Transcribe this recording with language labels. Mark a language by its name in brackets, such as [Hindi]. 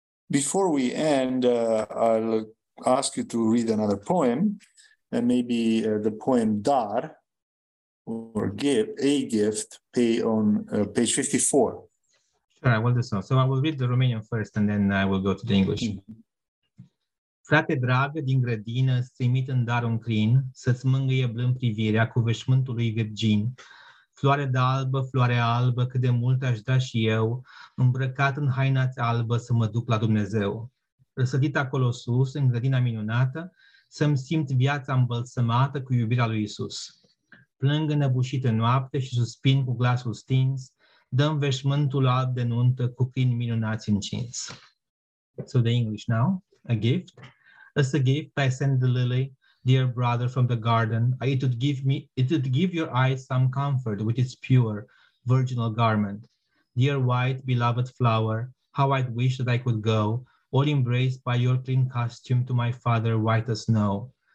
[English] Before we end, I'll ask you to read another poem, and maybe the poem Dar, or Give, A Gift, page 54. Sure, I will do so. So I will read the Romanian first, and then I will go to the English. [Romanian] Frate drag, din grădină, îți trimit în dar un crin, să-ți mângâie blând privirea cu veșmântul lui virgin. Floare de albă, floare albă, cât de mult aș da și eu, îmbrăcat în haina-ți albă să mă duc la Dumnezeu. Răsădit acolo sus, în grădina minunată, să-mi simt viața îmbălsămată cu iubirea lui Iisus. Plâng înăbușit în noapte și suspin cu glasul stins, dă-mi veșmântul alb de nuntă cu crin minunați încins. [English] So the English now, a gift. As a gift, I send the lily. Dear brother from the garden, it would give your eyes some comfort with its pure, virginal garment. Dear white, beloved flower, how I'd wish that I could go, all embraced by your clean costume to my father, white as snow.